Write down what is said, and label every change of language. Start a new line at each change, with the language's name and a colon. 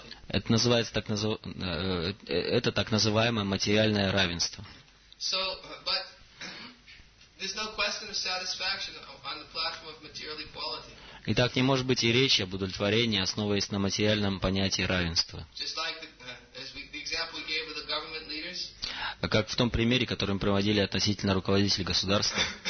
Russian: Это называется так называемое материальное равенство.
English: So, but there's no question of satisfaction on the platform of material equality.
Russian: И так не может быть и речи об удовлетворении, основываясь на материальном понятии равенства.
English: Just like the example we gave with the government leaders.
Russian: Как в том примере, который мы приводили относительно руководителей государства.